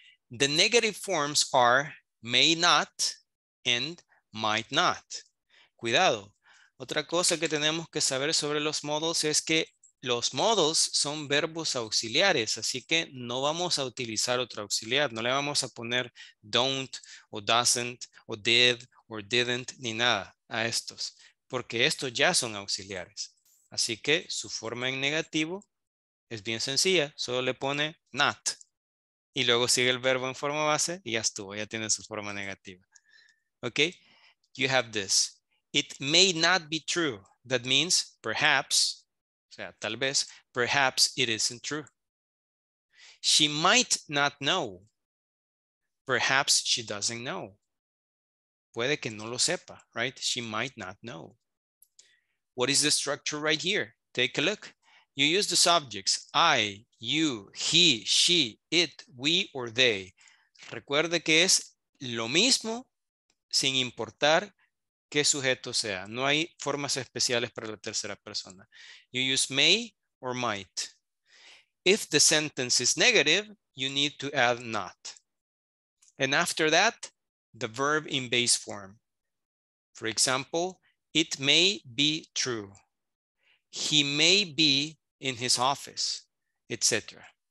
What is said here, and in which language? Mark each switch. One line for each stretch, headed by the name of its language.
English: The negative forms are may not and might not.
Spanish: Cuidado. Otra cosa que tenemos que saber sobre los modals es que los modals son verbos auxiliares, así que no vamos a utilizar otro auxiliar. No le vamos a poner don't o doesn't o did o didn't ni nada a estos, porque estos ya son auxiliares. Así que su forma en negativo es bien sencilla. Solo le pone not. Y luego sigue el verbo en forma base y ya estuvo, ya tiene su forma negativa. ¿Ok?
English: You have this. It may not be true. That means perhaps,
Spanish: o sea, tal vez,
English: perhaps it isn't true. She might not know. Perhaps she doesn't know.
Spanish: Puede que no lo sepa,
English: right? She might not know. What is the structure right here? Take a look. You use the subjects, I, you, he, she, it, we, or they.
Spanish: Recuerde que es lo mismo sin importar qué sujeto sea. No hay formas especiales para la tercera persona.
English: You use may or might. If the sentence is negative, you need to add not. And after that, the verb in base form. For example, it may be true. He may be in his office, etc.